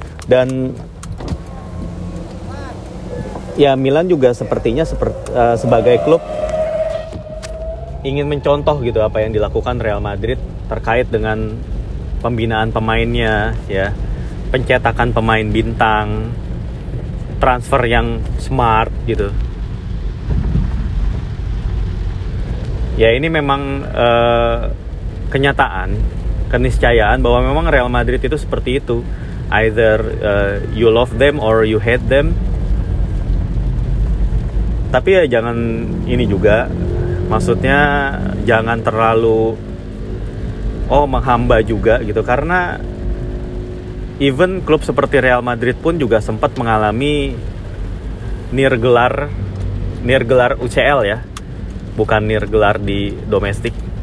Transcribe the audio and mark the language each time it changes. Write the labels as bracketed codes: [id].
[id] Dan ya Milan juga sepertinya sebagai klub ingin mencontoh gitu apa yang dilakukan Real Madrid terkait dengan pembinaan pemainnya, ya pencetakan pemain bintang, transfer yang smart gitu. Ya ini memang kenyataan, keniscayaan bahwa memang Real Madrid itu seperti itu. [en] Either you love them or you hate them. [id] Tapi ya jangan ini juga, maksudnya jangan terlalu menghamba juga gitu. Karena even klub seperti Real Madrid pun juga sempat mengalami nirgelar UCL ya, bukan nirgelar di domestik.